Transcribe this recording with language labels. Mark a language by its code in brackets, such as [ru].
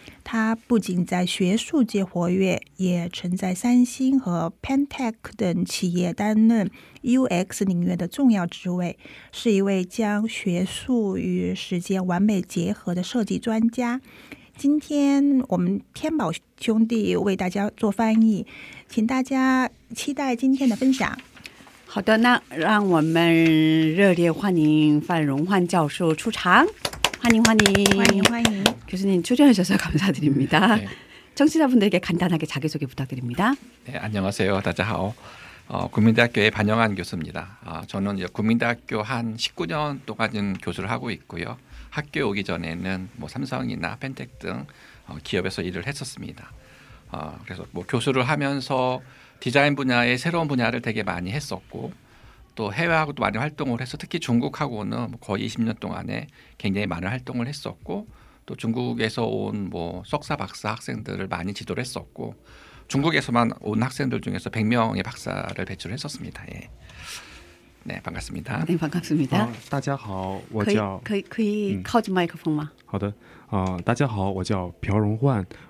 [zh] 他不仅在学术界活跃，也曾在三星和 Pentek 等企业担任 UX 领域的重要职位，是一位将学术与实践完美结合的设计专家。今天我们天宝兄弟为大家做翻译，请大家期待今天的分享。好的，那让我们热烈欢迎范荣焕教授出场。欢迎欢迎欢迎欢迎 [ko] 교수님 초대하셔서 감사드립니다. 네. 청취자분들에게 간단하게 자기소개 부탁드립니다. 네, 안녕하세요. 다자하오. 국민대학교의 반영한 교수입니다. 저는 이제 국민대학교 한 19년 동안 교수를 하고 있고요. 학교 오기 전에는 뭐 삼성이나 펜텍 등 기업에서 일을 했었습니다. 그래서 뭐 교수를 하면서 디자인 분야의 새로운 분야를 되게 많이 했었고 또 해외하고도 많이 활동을 해서 특히 중국하고는 거의 20년 동안에 굉장히 많은 활동을 했었고 또 중국에서 온 뭐 석사 박사 학생들을 많이 지도를 했었고 중국에서만 온 학생들 중에서 100명의 박사를 배출을 했었습니다. 예. 네, 반갑습니다. 네, 반갑습니다. [zh] 大家好，我叫可以靠近麦克风吗？好的，大家好，我叫朴荣焕。